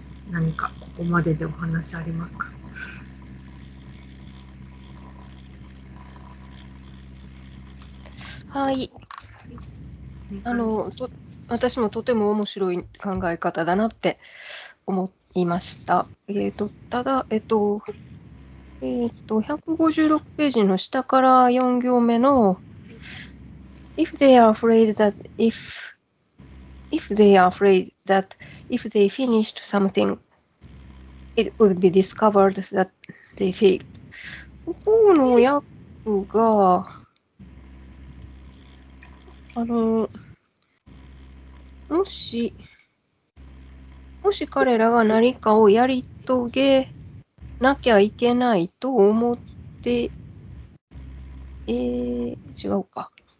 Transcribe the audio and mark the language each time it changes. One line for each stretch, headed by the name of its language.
Japanese: 何かここまででお話ありますか？はい、私もとても面白い考え方だなって思いました。ただ、156ページの下から4行目の
English: If they are afraid that if they finished something, it would be discovered that they failed.
Japanese: ここの訳が、もし彼らが何かをやり遂げなきゃいけないと思って、違うか。